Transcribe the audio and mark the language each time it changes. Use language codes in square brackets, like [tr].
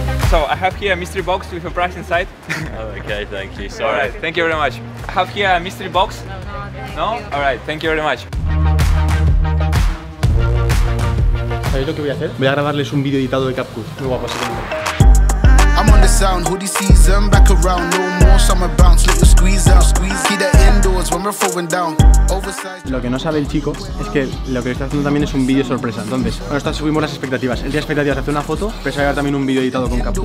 [en] So I have here a mystery box with a prize inside. Okay, thank you. So all right, thank you very much. I have here a mystery box. No? All right, thank you very much. [es] ¿Sabéis lo que voy a hacer? Voy a grabarles un vídeo editado de CapCut. Muy guapo, así que... [en] Sound hoodie season back around, no more summer bounce, little squeeze out, squeeze key the indoors when we're falling down. [es] Lo que no sabe el chico es que lo que está haciendo también es un vídeo sorpresa. Entonces, bueno, está, subimos las expectativas. El día de expectativas hace una foto, pero se va a llevar también un vídeo editado con CapCut.